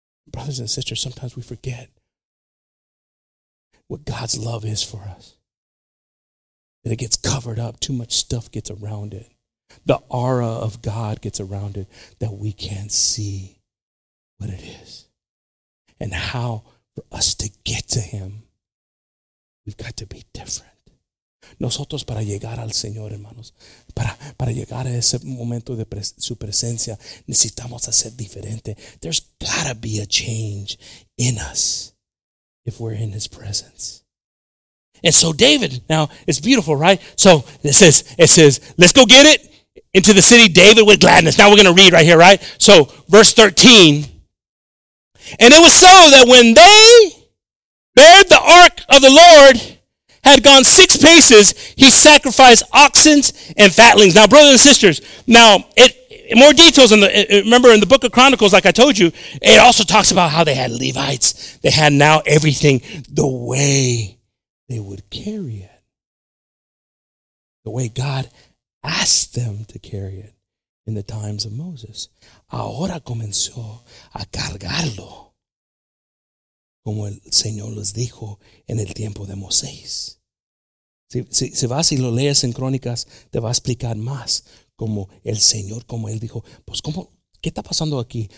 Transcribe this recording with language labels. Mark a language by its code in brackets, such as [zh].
[en] Brothers and sisters, sometimes we forget what God's love is for us. That it gets covered up. Too much stuff gets around it. The aura of God gets around it that we can't see what it is. And how for us to get to Him, we've got to be different. [es] Nosotros para llegar al Señor, hermanos, para llegar a ese momento de su presencia, necesitamos hacer diferente. [en] There's got to be a change in us if we're in His presence. And so David, now, it's beautiful, right? So it says, let's go get it into the city, David, with gladness. Now we're going to read right here, right? So verse 13, and it was so that when they bared the ark of the Lord, had gone 6 paces, he sacrificed oxen and fatlings. Now, brothers and sisters, now, more details, remember in the book of Chronicles, like I told you, it also talks about how they had Levites. They had now everything the way they would carry it. The way God asked them to carry it in the times of Moses. [es] Ahora comenzó a cargarlo. Como el Señor les dijo en el tiempo de Moisés. Si vas y lo lees en Crónicas, te va a explicar más como el Señor, como Él dijo, pues cómo, ¿qué está pasando aquí?